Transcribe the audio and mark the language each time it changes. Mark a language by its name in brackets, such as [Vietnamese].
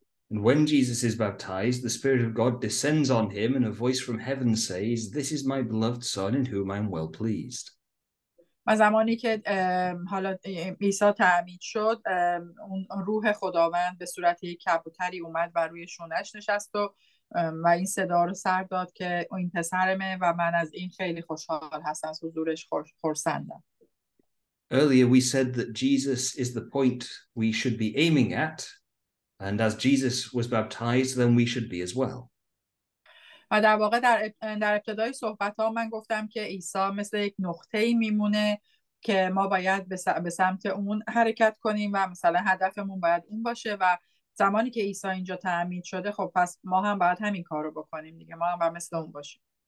[English] And when Jesus is baptized, the Spirit of God descends on him and a voice from heaven says, This is my beloved Son in whom I am well pleased. [Persian] و زمانی که حالا عیسی تعمید شد اون روح خداوند به صورت یک کبوتری اومد و روی شونش نشست و و این صدا رو سر داد که این پسرمه و من از این خیلی خوشحال هستم، از حضورش خرسندم. [English] Earlier we said that Jesus is the point we should be aiming at, and as Jesus was baptized, then we should be as well. [Persian] و در واقع در ابتدای صحبت ها من گفتم که عیسی مثل یک نقطه ای میمونه که ما باید به سمت اون حرکت کنیم و مثلا هدفمون باید اون باشه و زمانی که عیسی اینجا تعمید شده خب پس ما هم باید همین کار رو بکنیم دیگه، ما هم باید مثل اون باشیم.